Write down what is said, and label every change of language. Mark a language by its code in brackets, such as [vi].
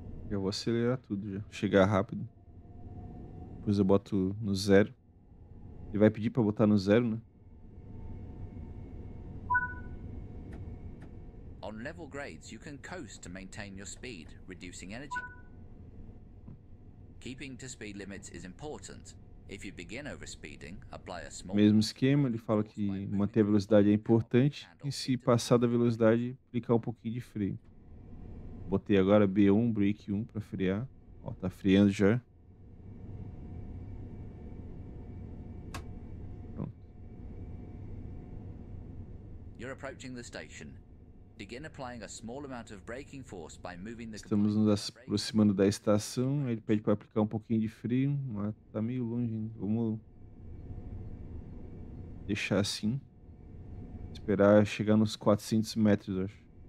[pt] Eu vou acelerar tudo já. Chegar rápido. Depois eu boto no zero. Ele vai pedir pra botar no zero, né? [en] On level grades, you can coast to maintain your speed, reducing energy. Keeping to speed limits is important. If you begin overspeeding, apply a small... [pt] Mesmo esquema, ele fala que manter a velocidade é importante e se passar da velocidade, aplicar um pouquinho de freio. Botei agora B1, break 1 para frear. Ó, tá freando já. Pronto. [en] You're approaching the station. Begin applying a small amount of braking force by moving the... [pt] Estamos nos aproximando da estação. Ele pede para aplicar um pouquinho de freio, mas tá meio longe, hein? Vamos deixar assim. Esperar chegar nos 400 metros, acho.